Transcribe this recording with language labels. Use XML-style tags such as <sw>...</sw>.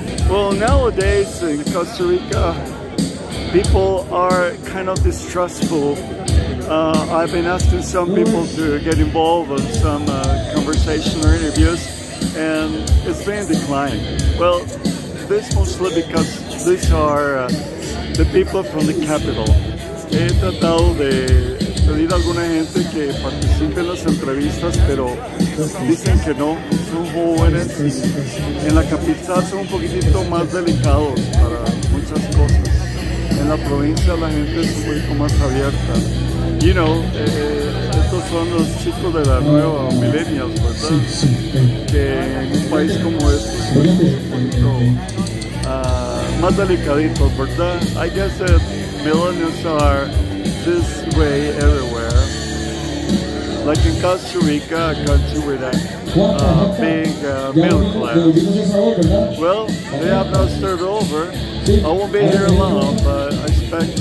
<en>Well, nowadays in Costa Rica, people are kind of distrustful. I've been asking some people to get involved in some conversation or interviews, and it's been declined. Well, this mostly because these are the people from the capital.</en> <es>He tratado de pedir a alguna gente que participe en las entrevistas, pero dicen que no. Son jóvenes. En la capital son un poquitito más delicados para muchas cosas. En la provincia la gente es un poquito más abierta.</es> <en>You know,</en> <es>estos son los chicos de la nueva millennials, ¿verdad? Sí, sí. Que en un país como este es un poquito más delicadito, ¿verdad?</es> <en>I guess that millennials are this way everywhere. Like in Costa Rica, a country with a big middle class. Well, they have not started over. I won't be here long, but I expect...</en>